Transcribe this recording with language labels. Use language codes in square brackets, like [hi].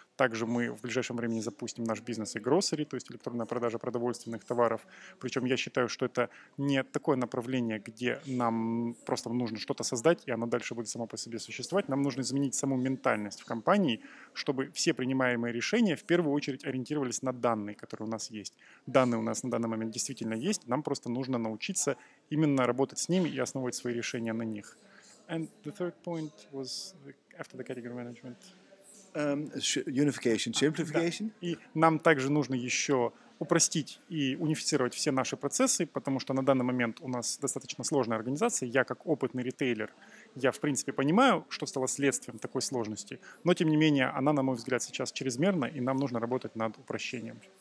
[ru] также мы в ближайшем времени запустим наш бизнес и гроссери, то есть электронная продажа продовольственных товаров, причем я считаю, что это не такое направление, где нам просто нужно что-то создать, и оно дальше будет само по себе существовать, нам нужно изменить саму ментальность в компании, чтобы все принимаемые решения в первую очередь ориентировались на данные, которые у нас есть. Данные у нас на данный момент действительно есть. Нам просто нужно научиться именно работать с ними и основывать свои решения на них. [en] And the third point was after the category management. Unification, simplification. [ru] Да. И нам также нужно еще упростить и унифицировать все наши процессы, потому что на данный момент у нас достаточно сложная организация. Я как опытный ритейлер, я в принципе понимаю, что стало следствием такой сложности, но тем не менее она, на мой взгляд, сейчас чрезмерна, и нам нужно работать над упрощением.